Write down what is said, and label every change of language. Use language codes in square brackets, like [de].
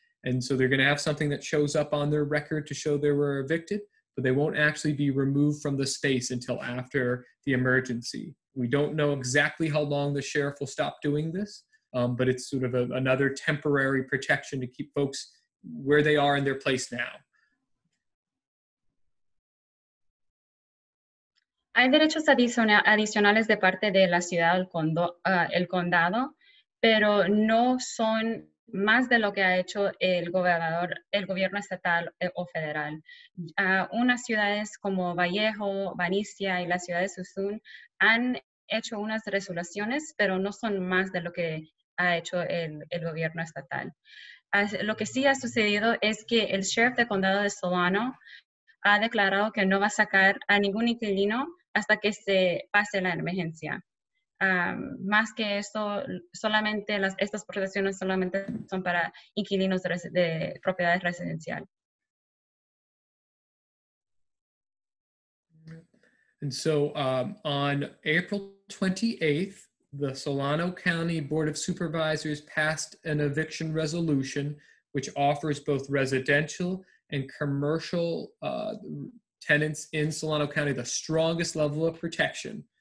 [en] And so they're going to have something that shows up on their record to show they were evicted, but they won't actually be removed from the space until after the emergency. We don't know exactly how long the sheriff will stop doing this, but it's sort of another temporary protection to keep folks where they are in their place now. [es] Hay derechos adicionales de parte de la ciudad, el condado, pero no son más de lo que ha hecho el gobernador, el gobierno estatal o federal. Unas ciudades como Vallejo, Benicia y la ciudad de Sassoon han hecho unas resoluciones, pero no son más de lo que ha hecho el gobierno estatal. Lo que sí ha sucedido es que el sheriff del condado de Solano ha declarado que no va a sacar a ningún inquilino hasta que se pase la emergencia. Más que eso, solamente estas protecciones solamente son para inquilinos de propiedades residenciales. [en] And so on April 28th, the Solano County Board of Supervisors passed an eviction resolution which offers both residential and commercial tenants in Solano County the strongest level of protection.